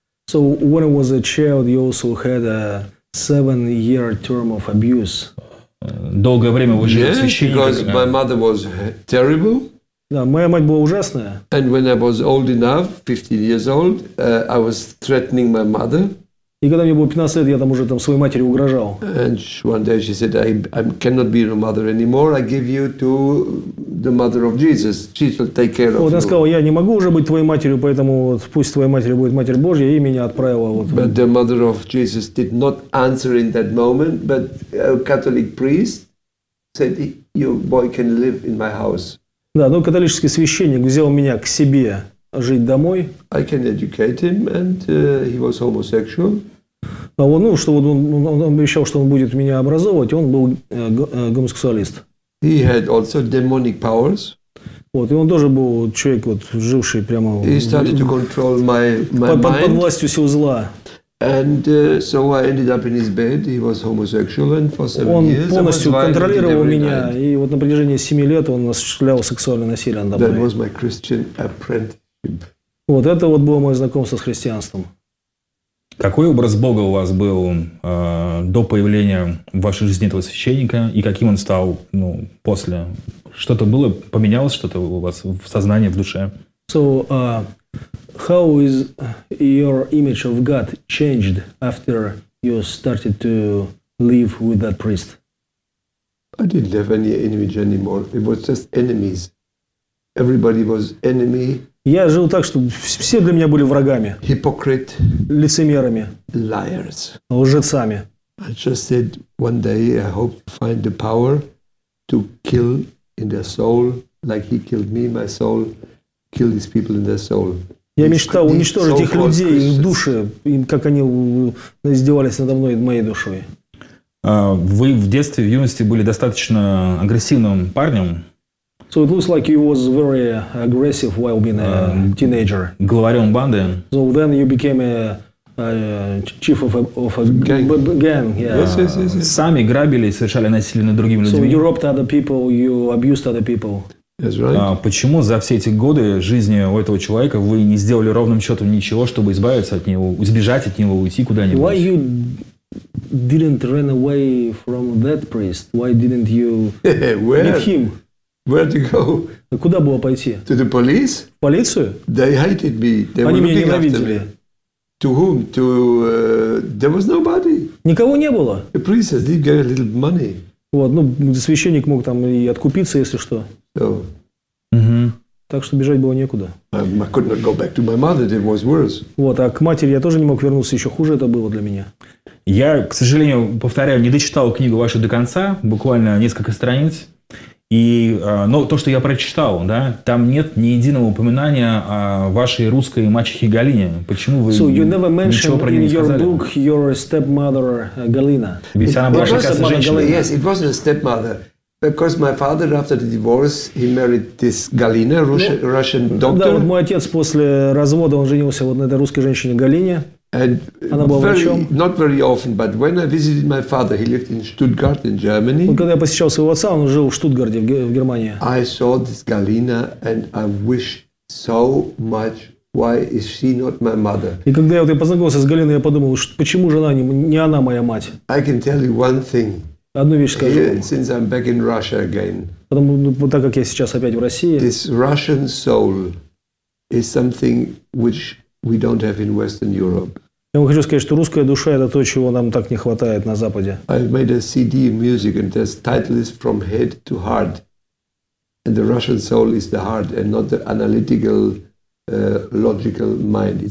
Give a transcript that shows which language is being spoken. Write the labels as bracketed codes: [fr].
[en] So when I was a child, you also had a 7-year term of abuse. [ru] Долгое время вы жили в священниках. [en] Yes, because my mother was terrible. [ru] Да, моя мать была ужасная. [en] And when I was old enough, 15 years old, I was threatening my mother. [ru] И когда мне было 15 лет, я там уже своей матери угрожал. [en] And one day she said, I cannot be your mother anymore. I give you to the mother of Jesus. She will take care of you. [ru] Она сказала, я не могу уже быть твоей матерью, поэтому пусть твоей матерью будет Матерь Божья, и меня отправила. [en] But the mother of Jesus did not answer in that moment, but a Catholic priest said, your boy can live in my house. [ru] Да, но католический священник взял меня к себе жить домой. [en] I can educate him, and he was homosexual. [ru] А он, ну, что вот он обещал, что он будет меня образовывать, он был гомосексуалист. [en] He had also demonic powers. [ru] Вот, и он тоже был человек, вот, живший прямо [en] he started to control my mind. [ru] Под властью сил зла. [en] And so I ended up in his bed. He was homosexual, and for 7 [ru] он [en] years. [ru] Он полностью контролировал меня, и вот на протяжении 7 лет он осуществлял сексуальное насилие надо мной. [en] That was my Christian apprenticeship. [ru] Вот это вот было мое знакомство с христианством. Какой образ Бога у вас был до появления в вашей жизни этого священника, и каким он стал, ну, после? Что-то было, поменялось что-то у вас в сознании, в душе? [en] So, how is your image of God changed after you started to live with that priest? I didn't have any image anymore. It was just enemies. Everybody was enemy. [ru] Я жил так, что все для меня были врагами. [en] Hypocrite. [ru] Лицемерами. [en] Liars. [ru] Лжецами. [en] I just said one day I hope to find the power to kill in their soul, like he killed me, my soul, kill these people in their soul. [ru] Я мечтал уничтожить их людей, их души, как они издевались надо мной и моей душой. Вы в детстве, в юности были достаточно агрессивным парнем. [en] So it looks like you was very aggressive while being a teenager. [ru] Главарем банды. [en] So then you became a chief of a gang. Yes. [ru] Сами грабили и совершали насилие над другими людьми. [en] So you robbed other people, you abused other people. Right. [ru] Почему за все эти годы жизни у этого человека вы не сделали ровным счетом ничего, чтобы избавиться от него, избежать от него, уйти куда-нибудь? [en] Why you didn't run away from that priest? Why didn't you leave him? Where to go? [ru] Куда было пойти? [en] To the police? [ru] В полицию? [en] They hated me. They [ru] Они [en] were [ru] меня [en] looking [ru] ненавидели. [en] After me. To whom? To there was nobody. [ru] Никого не было. [en] The priest did get a little money. [ru] Вот, ну, священник мог там и откупиться, если что. Так что бежать было некуда. [en] I could not go back to my mother, it was worse. [ru] Вот, а к матери я тоже не мог вернуться, еще хуже это было для меня. Я, к сожалению, повторяю, не дочитал книгу вашу до конца, буквально несколько страниц. И, но то, что я прочитал, да, там нет ни единого упоминания о вашей русской мачехе Галине. Почему вы ничего про нее не сказали? [en] So you never mentioned in your book your stepmother Galina. [ru] Ведь она была прекрасной женщиной. [en] Yes, it wasn't a stepmother. Because my father, after the divorce, he married this Galina, Russian doctor. [ru] Да, вот мой отец после развода, он женился вот на этой русской женщине Галине. [en] And [ru] она была врачом. [en] Not very often, but when I visited my father, he lived in Stuttgart in Germany. [ru] Вот когда я посещал своего отца, он жил в Штутгарте, в Германии. [en] I saw this Galina and I wished so much Why is she not my mother? [ru] И когда я познакомился с Галиной, я подумал, что почему же она не она моя мать? [en] I can tell you one thing. [ru] Одну вещь скажу. [en] Here, since I'm back in Russia again. [ru] Потому что так как я сейчас опять в России. [en] This Russian soul is something which we don't have in Western Europe. [ru] Я вам хочу сказать, что русская душа – это то, чего нам так не хватает на Западе. [en] I made a CD of music and there's titles from head to heart. And the Russian soul is the heart and not the analytical, logical mind.